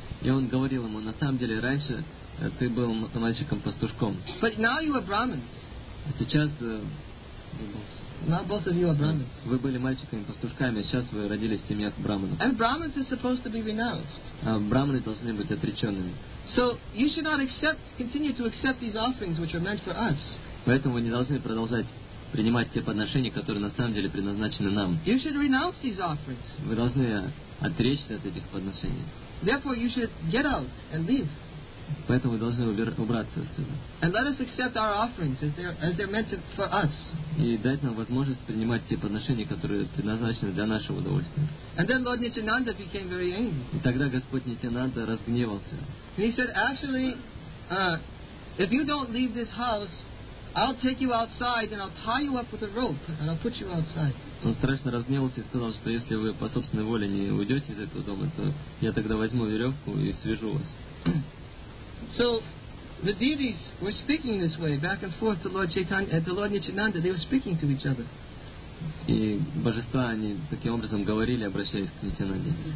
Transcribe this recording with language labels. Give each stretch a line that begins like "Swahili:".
Russian: И он говорил ему, на самом деле раньше ты был мальчиком-пастушком.
English: But now you are Brahmins.
Russian: А сейчас
English: now both of you are Brahmins.
Russian: Вы были мальчиками-пастушками, а сейчас вы родились в семьях Брахманов.
English: And Brahmins are supposed to be renounced.
Russian: А Брахманы должны быть отреченными.
English: So you should not continue to accept these offerings which are meant for us.
Russian: Поэтому вы не должны продолжать принимать те подношения, которые на самом деле предназначены нам.
English: You should renounce these offerings.
Russian: Вы должны отречься от этих подношений.
English: Therefore, you should get out and leave.
Russian: Поэтому вы должны убраться отсюда.
English: And let us accept our offerings as they're meant for us.
Russian: И дать нам возможность принимать те подношения, которые предназначены для нашего удовольствия.
English: And then Lord Nityananda became very angry.
Russian: И тогда Господь Нитянанда разгневался.
English: He said, actually, if you don't leave this house, I'll take you outside and I'll tie you up with a rope and I'll put you outside.
Russian: Он страшно разгневался и сказал, что если вы по собственной воле не уйдете из этого дома, то я тогда возьму веревку и свяжу вас.
English: So the devis were speaking this way back and forth to Lord Chaitanya and to Lord Nityananda. They were speaking to each other.
Russian: И божества они таким образом говорили, обращаясь к Нитянанде.